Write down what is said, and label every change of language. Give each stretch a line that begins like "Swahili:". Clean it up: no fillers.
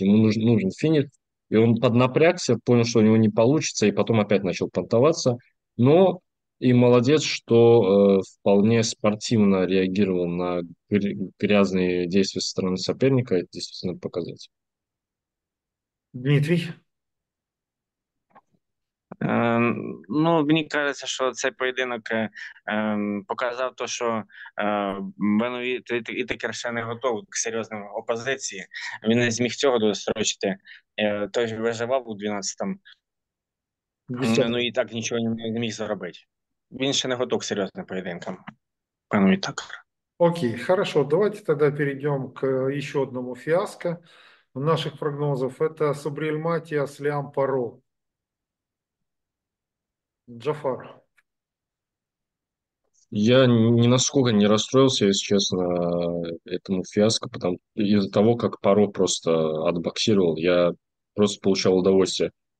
Russian: Ему нужен финиш. И он поднапрягся, понял, что у него не получится, и потом опять начал понтоваться. Но и молодец, что вполне спортивно реагировал на грязные действия со стороны соперника. Это действительно показатель. Дмитрий.
Ukrainian: Ну, мені кажеться, що цей поєдинок показав те, що Бен Уитекер ще не готов до серйозної опозиції. Він не зміг цього дострочити. Той виживав у 12-му, ну Десятка. і так нічого не зміг зробити. Він ще не готов до серйозних поєдинків, Бен Уитекер.
Russian: Окей, хорошо, давайте тогда перейдем к еще одному фиаско наших прогнозов. Это Субриэль Матиас, Лиам Паро, Джафар. Я ни насколько не расстроился, если честно, этому фиаско, потому из-за того, как Паро просто отбоксировал, я просто получал удовольствие.